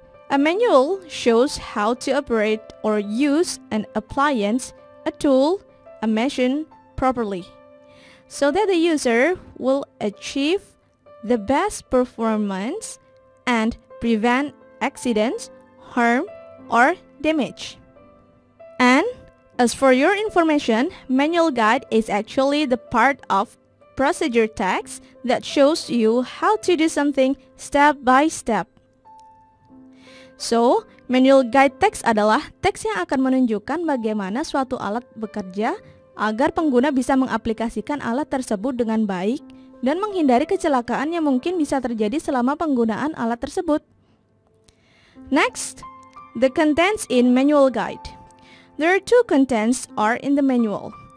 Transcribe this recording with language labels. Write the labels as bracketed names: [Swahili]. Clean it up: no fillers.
[English] A manual shows how to operate or use an appliance, a tool, a machine properly, so that the user will achieve the best performance and prevent accidents, harm, or damage. And as for your information, manual guide is actually the part of procedure text that shows you how to do something step by step. [Indonesian] So, manual guide text adalah teks yang akan menunjukkan bagaimana suatu alat bekerja agar pengguna bisa mengaplikasikan alat tersebut dengan baik dan menghindari kecelakaan yang mungkin bisa terjadi selama penggunaan alat tersebut. [English] Next, the contents in manual guide. There are two contents are in the manual.